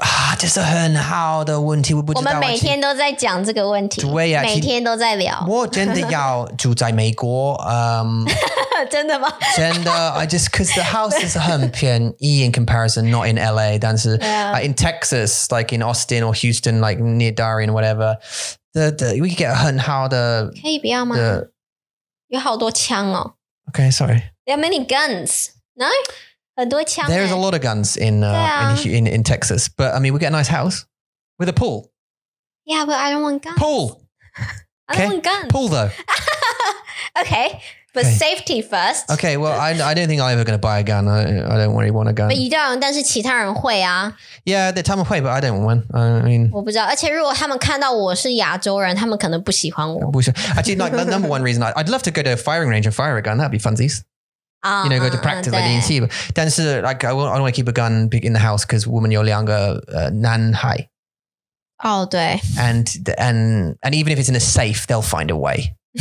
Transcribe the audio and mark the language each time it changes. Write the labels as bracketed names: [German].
[Chinese] Ah, 这是很好的问题，我不知道。我们每天都在讲这个问题，每天都在聊。我真的要住在美国。真的吗？ [English] 真的, I just, because the house is [Chinese] 很便宜 [English] in comparison, not in LA, [Chinese] 但是 [English] in Texas, like in Austin or Houston, like near Darien or whatever, we could get [Chinese] 很好的。可以不要吗? 有好多枪哦。 [English] Okay, sorry. There are many guns, no? There is a lot of guns in Texas, but I mean, we get a nice house with a pool. Yeah, but I don't want guns. Pool. I don't want guns. Pool though. Okay, but safety first. Okay, well, I don't think I'm ever going to buy a gun. I don't really want a gun. But you don't, [Chinese] 但是其他人会啊。 [English] Yeah, they will, but I don't want one. I mean, [Chinese] 我不知道，而且如果他们看到我是亚洲人，他们可能不喜欢我。不是, [English] actually, like the number one reason, I'd love to go to a firing range and fire a gun. That'd be funsies. You know, go to practice like in Tiba. Then so like I don't want to keep a gun in the house because woman you're younger nan hai. Oh day. And even if it's in a safe, they'll find a way.